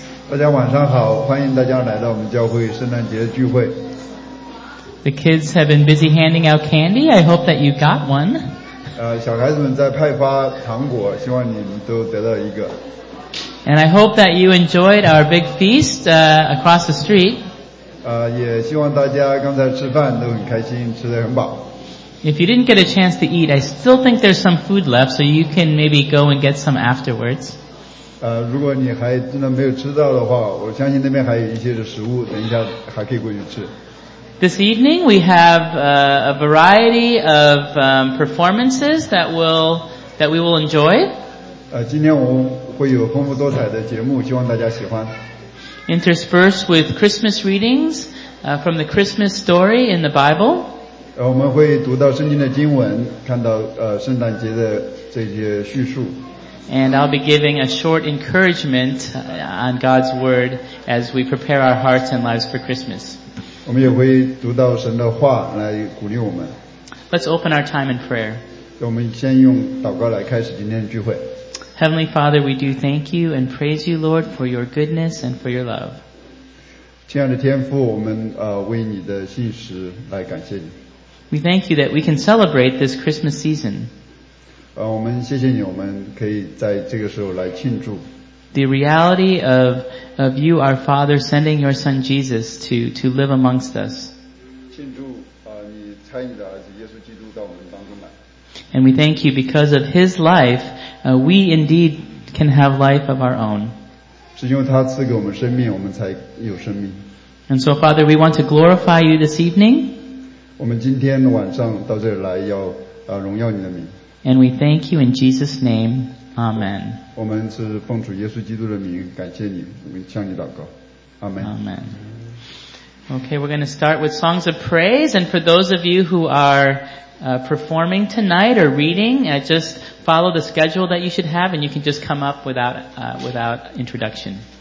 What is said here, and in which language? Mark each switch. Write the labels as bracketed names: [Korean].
[Chinese] 大家晚上好，欢迎大家来到我们教会圣诞节聚会。 [English] The kids have been busy handing out candy. I hope that you got one. [Chinese] 小孩子们在派发糖果，希望你们都得到一个。 [English] And I hope that you enjoyed our big feast across the street. [Chinese] 也希望大家刚才吃饭都很开心，吃得很饱。 [English] If you didn't get a chance to eat, I still think there's some food left, so you can maybe go and get some afterwards. [Chinese] 如果你还真的没有吃到的话，我相信那边还有一些的食物，等一下还可以过去吃。 [English] This evening we have a variety of performances that we will enjoy. [Chinese] 今天我们会有丰富多彩的节目，希望大家喜欢。 [English] Interspersed with Christmas readings from the Christmas story in the Bible. [Chinese] 我们会读到圣经的经文，看到圣诞节的这些叙述。 [English] And I'll be giving a short encouragement on God's word as we prepare our hearts and lives for Christmas. [Chinese] 我们也会读到神的话来鼓励我们。 [English] Let's open our time in prayer. [Chinese] 我们先用祷告来开始今天的聚会。 [English] Heavenly Father, we do thank you and praise you, Lord, for your goodness and for your love. [Chinese] 亲爱的天父，我们为你的信实来感谢你。 [English] We thank you that we can celebrate this Christmas season. [Chinese] 我们谢谢你，我们可以在这个时候来庆祝。 [English] The reality of you, our Father, sending your Son Jesus to live amongst us. [Chinese] 庆祝你差你的儿子耶稣基督到我们当中来。 [English] And we thank you because of his life, we indeed can have life of our own. [Chinese] 是因为他赐给我们生命，我们才有生命。 [English] And so, Father, we want to glorify you this evening. [Chinese] 我们今天晚上到这里来要荣耀你的名。 [English] And we thank you in Jesus name. Amen. [Chinese] 我们是奉主耶稣基督的名感谢你，我们向你祷告。 [English] Amen. Amen. Okay, we're going to start with songs of praise. And for those of you who are performing tonight or reading, just follow the schedule that you should have and you can just come up without introduction.